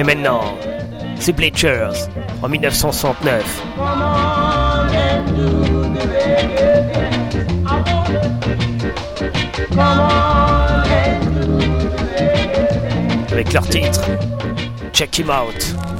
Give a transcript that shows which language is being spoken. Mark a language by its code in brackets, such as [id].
[fr] Et maintenant, c'est Bleachers, en 1969. [en] Come on and do the reggae dance. I wanna. Come on and do the reggae dance. [fr] Avec leur titre, Check Him Out.